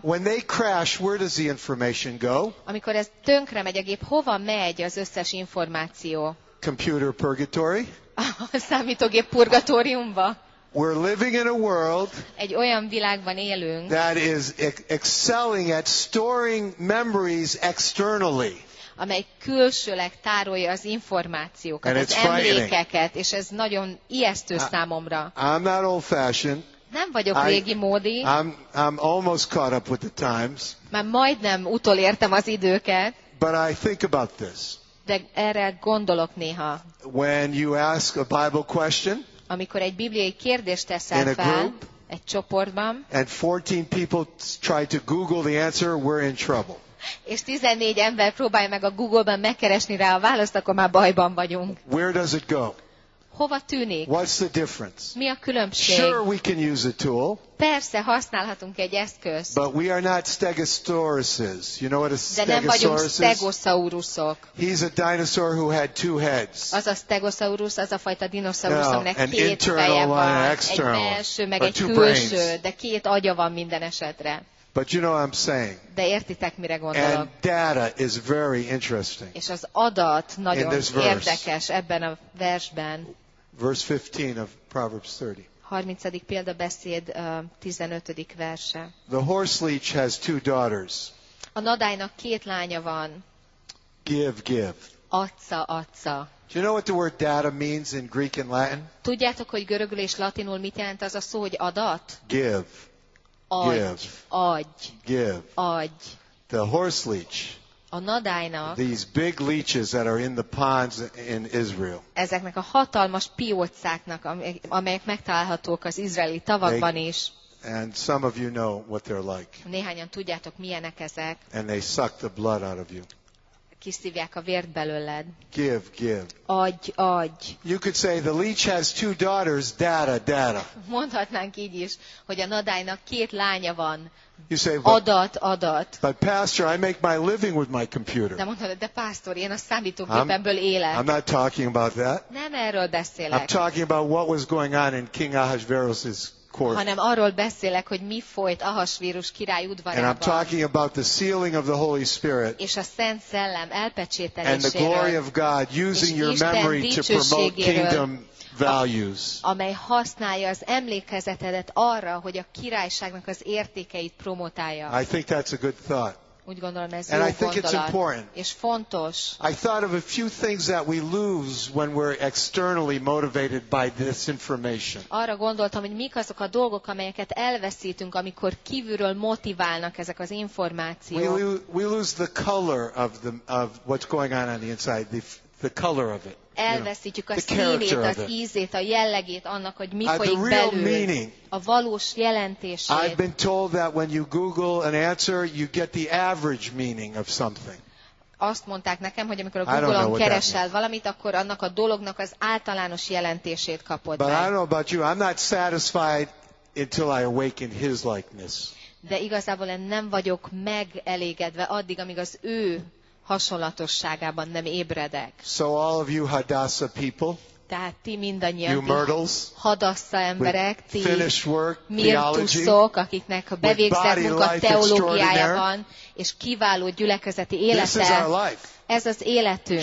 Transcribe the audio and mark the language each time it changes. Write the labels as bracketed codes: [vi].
[en] When they crash, where does the information go? [hu] Amikor ez tönkre megy a gép, hova megy az összes információ? [en] Computer purgatory. [hu] A számítógép purgatóriumba. [en] We're living in a world [hu] egy olyan világban élünk, [en] that is excelling at storing memories externally. [hu] Amely külsőleg tárolja az információkat, az emlékeket, és ez nagyon ijesztő számomra. [en] I'm not old-fashioned. [hu] Nem vagyok régi módi. [en] I'm almost caught up with the times. [hu] Már majdnem utolértem az időket. [en] But I think about this. [hu] De erre gondolok néha. [en] When you ask a Bible question, [hu] amikor egy bibliai kérdést teszel fel egy csoportban, [en] and 14 people try to Google the answer, we're in trouble. [hu] És 14 ember próbálja meg a Google-ban megkeresni rá a választ, akkor már bajban vagyunk. [en] Where does it go? [hu] Hova tűnik? [en] What's the difference? [hu] Mi a különbség? [en] Sure, we can use a tool. [hu] Persze, használhatunk egy eszközt. [en] But we are not stegosauruses. You know what a stegosaurus is? [hu] De nem vagyunk stegosaurusok. [en] He's a dinosaur who had two heads. [hu] Az a stegosaurus, az a fajta dinoszaurus, no, aminek két feje van. Egy belső, meg egy külső, de két agya van minden esetre. [en] But you know what I'm saying. [hu] De értitek, mire gondolok. [en] And data is very interesting. [hu] És az adat nagyon érdekes ebben a versben. [en] Verse 15 of Proverbs 30. [hu] 30. példabeszéd 15. verse. [en] The horse leech has two daughters. [hu] A nadálynak két lánya van. [en] Give. Atza. Do you know what the word data means in Greek and Latin? [hu] Tudjátok, hogy görögül és latinul mit jelent az a szó, hogy adat? [en] Give. [hu] Adj. [en] The horse leech. [hu] A nadájnak. [en] These big leeches that are in the ponds in Israel. [hu] Ezeknek a hatalmas piócáknak, amelyek megtalálhatók az izraeli tavakban is. [en] And some of you know what they're like. [hu] Néhányan tudjátok, milyenek ezek. [en] And they suck the blood out of you. [hu] Kiszívják a vért belőled. [en] Give. [hu] Adj. [en] You could say the leech has two daughters, data. [hu] Mondhatnánk így is, hogy a nadálynak két lánya van. [en] You say, [hu] adat. [en] But pastor, I make my living with my computer. [hu] De mondhatod, de pásztor, én a számítógépemből élek. [en] I'm not talking about that. [hu] Nem erről beszélek. [en] I'm talking about what was going on in King Ahasuerus's court. [hu] Hanem arról beszélek, hogy mi folyt Ahasvírus király udvarában. [en] And I'm talking about the sealing of the Holy Spirit. [hu] És a Szent Szellem elpecsételéséről. [en] And the glory of God using your memory to promote kingdom values. [hu] Amely használja az emlékezetedet arra, hogy a királyságnak az értékeit promotálja. [en] I think that's a good thought. [hu] Úgy gondolom, ez jó gondolat. [en] And I think it's important. [hu] És fontos. [en] I thought of a few things that we lose when we're externally motivated by this information. [hu] Arra gondoltam, hogy mik azok a dolgok, amelyeket elveszítünk, amikor kívülről motiválnak ezek az információk. [en] We lose the color of what's going on the inside, the color of it. [hu] Elveszítjük a színét, az ízét, a jellegét annak, hogy mi folyik belül. [en] Meaning, [hu] a valós jelentését. [en] I've been told that when you Google an answer, you get the average meaning of something. [hu] Azt mondták nekem, hogy amikor a Google-on keresel valamit, akkor annak a dolognak az általános jelentését kapod. [en] But I don't know about you, I'm not satisfied until I awaken his likeness. [hu] De igazából én nem vagyok megelégedve addig, amíg az ő hasonlatosságában nem ébredek. [en] So all of you Hadassah people, [hu] tehát ti mindannyian, [en] you Myrtles, [hu] Hadassah emberek, ti Myrtusok, akiknek a bevégzett munka teológiája van, és kiváló gyülekezeti élete, ez az életünk.